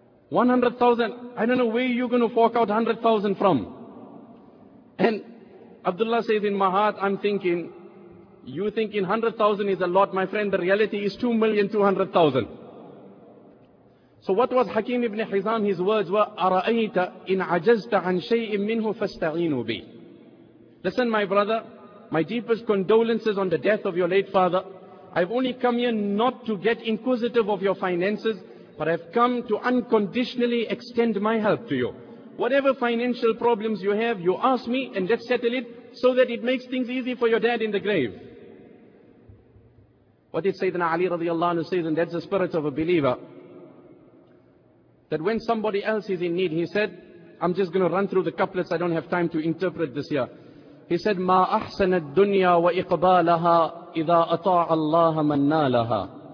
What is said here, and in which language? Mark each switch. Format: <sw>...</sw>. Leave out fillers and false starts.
<en>100,000, I don't know where you're going to fork out 100,000 from. And Abdullah says, in my heart, I'm thinking, you thinking 100,000 is a lot, my friend, the reality is 2,200,000. So what was Hakim ibn Hizam? His words were,</en> <ar>أَرَأَيْتَ إِنْ عَجَزْتَ عَنْ شَيْءٍ مِّنْهُ فَاسْتَعِينُ بِي.</ar> <en>Listen, my brother, my deepest condolences on the death of your late father. I've only come here not to get inquisitive of your finances, but I've come to unconditionally extend my help to you. Whatever financial problems you have, you ask me and let's settle it so that it makes things easy for your dad in the grave. What did Sayyidina Ali radiallahu anhu say? And that's the spirit of a believer. That when somebody else is in need, he said, I'm just going to run through the couplets, I don't have time to interpret this here. He said,</en> <ar>مَا أَحْسَنَ الدُّنْيَا وَإِقْبَالَهَا إِذَا أَطَاعَ اللَّهَ مَنَّا لَهَا.</ar>